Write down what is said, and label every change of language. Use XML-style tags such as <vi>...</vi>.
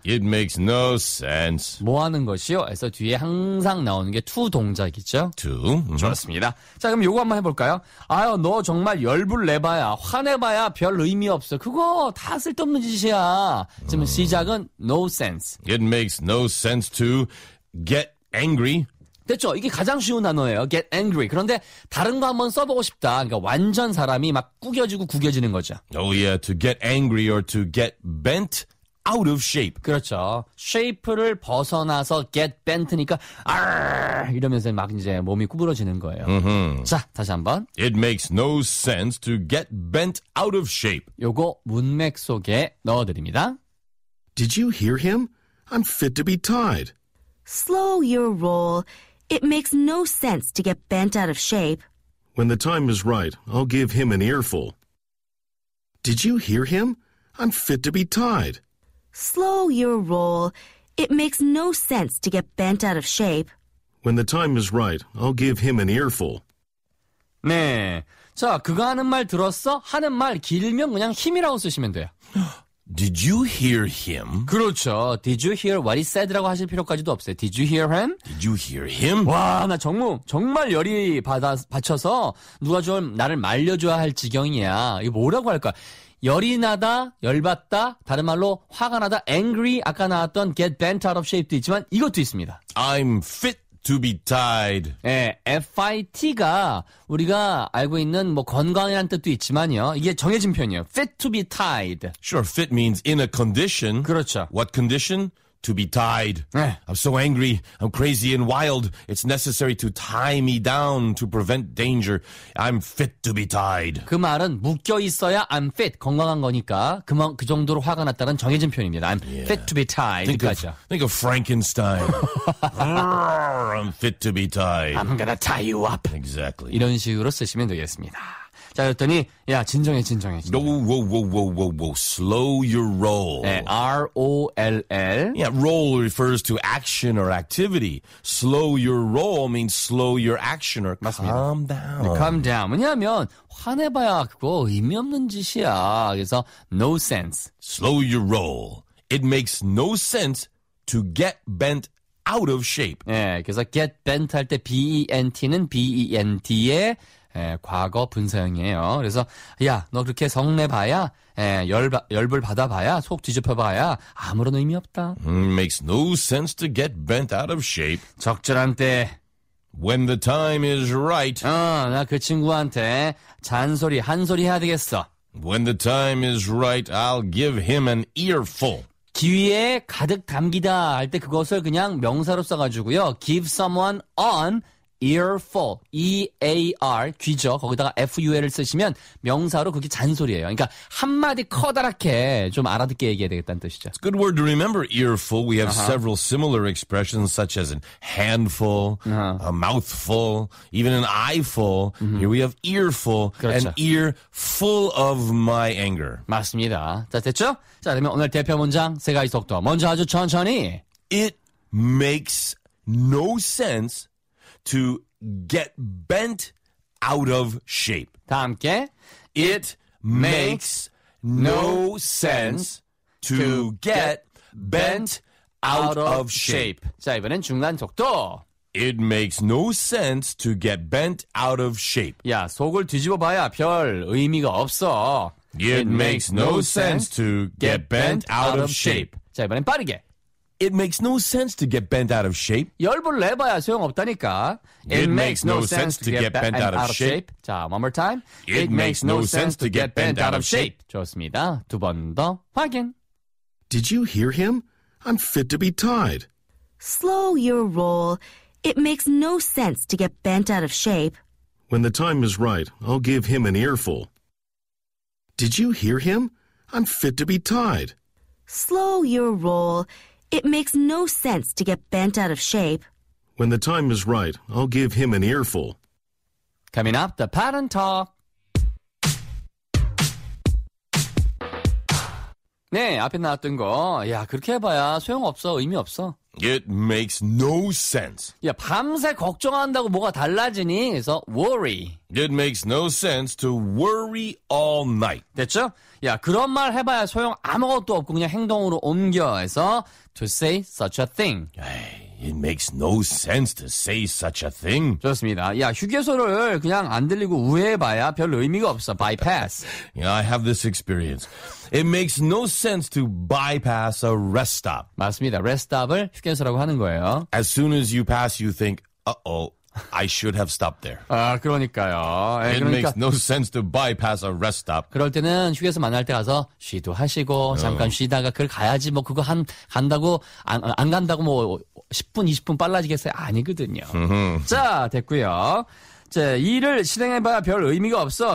<en>It makes no sense.</en> <ko>뭐 하는 것이요? 그래서 뒤에 항상 나오는 게 to 동작이죠.</ko> <en>To.</en> <ko>좋습니다. 자, 그럼 요거 한번 해볼까요? 아유, 너 정말 열불 내봐야 화내봐야 별로 의미 없어. 그거 다 쓸데없는 짓이야. 지금 시작은</ko> <en>no sense. It makes no sense to get angry.</en> <ko>됐죠? 이게 가장 쉬운 단어예요.</ko> <en>Get angry.</en> <ko>그런데 다른 거 한번 써보고 싶다. 그러니까 완전 사람이 막 구겨지고 구겨지는 거죠.</ko> <en>Oh yeah, to get angry or to get bent out of shape.</en> <ko>그렇죠. Shape를 벗어나서</ko> <en>get bent</en> <ko>니까 이러면서 막 이제 몸이 구부러지는 거예요. Mm-hmm. 자, 다시 한번.</ko> <en>It makes no sense to get bent out of shape. 요거 문맥 속에 넣어드립니다. Did you hear him? I'm fit to be tied. Slow your roll. It makes no sense to get bent out of shape. When the time is right, I'll give him an earful. Did you hear him? I'm fit to be tied. Slow your roll. It makes no sense to get bent out of shape. When the time is right, I'll give him an earful.</en> <ko>네. 자, 그거 하는 말 들었어? 하는 말 길면 그냥 힘이라고 쓰시면 돼요. Did you hear him? 그렇죠.</ko> <en>Did you hear what he said?</en> <ko>라고 하실 필요까지도 없어요.</ko> <en>Did you hear him? Did you hear him?</en> <ko>와, 나 정말 열이 받쳐서 누가 좀 나를 말려줘야 할 지경이야. 이거 뭐라고 할까? 열이 나다, 열받다, 다른 말로 화가 나다, angry, 아까 나왔던</ko> <en>get bent out of shape</en> <ko>도 있지만 이것도 있습니다.</ko> <en>I'm fit. To be tied.</en> <ko>네, FIT가 우리가 알고 있는 뭐 건강이란 뜻도 있지만요. 이게 정해진 표현이에요.</ko> <en>Fit to be tied. Sure, fit means in a condition.</en> <ko>그렇죠.</ko> <en>What condition? To be tied.</en> <ko>네.</ko> <en>I'm so angry. I'm crazy and wild. It's necessary to tie me down to prevent danger. I'm fit to be tied.</en> <ko>그 말은 묶여 있어야</ko> <en>I'm fit.</en> <ko>건강한 거니까 그 정도로 화가 났다는 정해진 표현입니다.</ko> <en>I'm yeah. fit to be tied. Think of Frankenstein. I'm fit to be tied. I'm gonna tie you up. Exactly.</en> <ko>이런 식으로 쓰시면 되겠습니다. 자, 그랬더니 야, 진정해.</ko> <en>No, whoa. Slow your roll.</en> <ko>네, R-O-L-L.</ko> <en>Yeah, roll refers to action or activity. Slow your roll means slow your action or</en> <ko>맞습니다.</ko> <en>Calm down. Calm down.</en> <ko>왜냐하면 화내봐야 그거 의미 없는 짓이야. 그래서</ko> <en>no sense. Slow your roll. It makes no sense to get bent out of shape.</en> <ko>네, 그래서</ko> <en>get bent</en> <ko>할 때 B-E-N-T는 B-E-N-T에 예, 과거 분사형이에요. 그래서 야, 너 그렇게 성내봐야 예, 열불 받아봐야 속 뒤집혀봐야 아무런 의미 없다.</ko> <en>Makes no sense to get bent out of shape.</en> <ko>적절한 때</ko> <en>When the time is right.</en> <ko>나 그 친구한테 잔소리 한소리 해야 되겠어.</ko> <en>When the time is right, I'll give him an earful.</en> <ko>기회에 가득 담기다 할 때 그것을 그냥 명사로 써가지고요.</ko> <en>Give someone an Earful, E-A-R,</en> <ko>귀죠. 거기다가 F-U-L을 쓰시면 명사로 그게 잔소리예요. 그러니까 한마디 커다랗게 좀 알아듣게 얘기해야 되겠다는 뜻이죠.</ko> <en>It's a good word to remember, earful. We have several similar expressions such as a handful, a mouthful, even an eyeful. Here we have earful,</en> <ko>그렇죠.</ko> <en>an ear full of my anger.</en> <ko>맞습니다. 자, 됐죠? 자, 그러면 오늘 대표 문장 세 가지 속도. 먼저 아주 천천히.</ko> <en>It makes no sense to get bent out of shape.</en> <ko>다 함께.</ko> <en>It makes no sense to get bent out of shape.</en> <ko>자, 이번엔 중간 속도.</ko> <en>It makes no sense to get bent out of shape.</en> <ko>야, 속을 뒤집어 봐야 별 의미가 없어.</ko> <en>It makes no sense to get bent out of shape.</en> <ko>자, 이번엔 빠르게.</ko> <en>It makes no sense to get bent out of shape.</en> <ko>열불 내봐야 소용없다니까.</ko> <en>It makes no sense to get bent out of shape.</en> <ko>자,</ko> <en>one more time. It makes no sense to get bent out of shape.</en> <ko>좋습니다. 두 번 더 확인.</ko> <en>Did you hear him? I'm fit to be tied. Slow your roll. It makes no sense to get bent out of shape. When the time is right, I'll give him an earful. Did you hear him? I'm fit to be tied. Slow your roll. It makes no sense to get bent out of shape. When the time is right, I'll give him an earful. Coming up, the pattern talk.</en> <ko>네, 앞에 나왔던 거. 야, 그렇게 해봐야 소용없어, 의미 없어.</ko> <en>It makes no sense.</en> <ko>야, 밤새 걱정한다고 뭐가 달라지니? 그래서 worry.</ko> <en>It makes no sense to worry all night.</en> <ko>됐죠? 야, 그런 말 해봐야 소용 아무것도 없고 그냥 행동으로 옮겨. 해서</ko> <en>to say such a thing. It makes no sense to say such a thing.</en> <ko>좋습니다. 야, 휴게소를 그냥 안 들리고 우회해봐야 별 의미가 없어.</ko> <en>Bypass. Yeah, I have this experience. It makes no sense to bypass a rest stop.</en> <ko>맞습니다. Rest stop을 휴게소라고 하는 거예요.</ko> <en>As soon as you pass, you think, uh-oh. I should have stopped there.</en> <ko>아, 그러니까요. 네,</ko> <en>It</en> <ko>그러니까,</ko> <en>makes no sense to bypass a rest stop.</en> <ko>그럴 때는 휴게소 만날 때 가서 쉬도 하시고 잠깐 쉬다가 그걸 가야지 뭐 그거 한 간다고 안 간다고 뭐 10분 20분 빨라지겠어요? 아니거든요. 자, 됐고요. 자, 일을 실행해 봐야 별 의미가 없어.</ko>